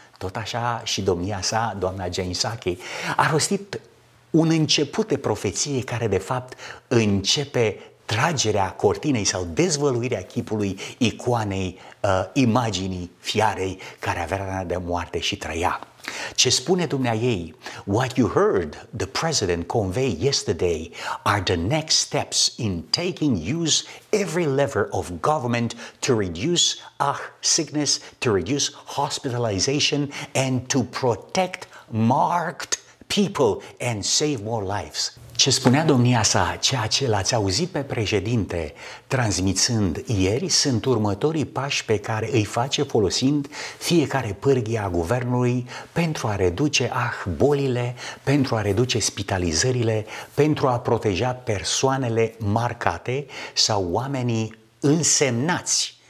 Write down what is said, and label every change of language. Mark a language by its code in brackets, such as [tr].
[ro] Tot așa și domnia sa, doamna Jane Psaki, a rostit un început de profeție care, de fapt, începe tragerea cortinei sau dezvăluirea chipului icoanei, imaginii fiarei care avea rana de moarte și trăia. Ce spune dumnea ei? [en] What you heard the president convey yesterday are the next steps in taking use every lever of government to reduce sickness, to reduce hospitalization and to protect marked people and save more lives. [ro] Ce spunea domnia sa, ceea ce l-ați auzit pe președinte transmițând ieri, sunt următorii pași pe care îi face folosind fiecare pârghie a guvernului pentru a reduce bolile, pentru a reduce spitalizările, pentru a proteja persoanele marcate sau oamenii însemnați.